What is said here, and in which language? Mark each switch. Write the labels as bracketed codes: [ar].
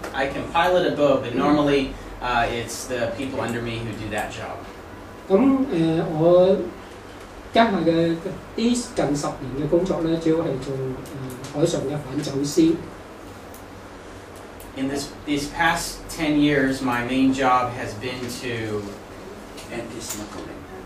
[en] I can pilot a boat, but normally it's the people under me who do that job. [yue] 咁我家下嘅啲近十年嘅工作咧，主要係做海上嘅反走私。 [en] In these past 10 years, my main job has been to anti-smuggling.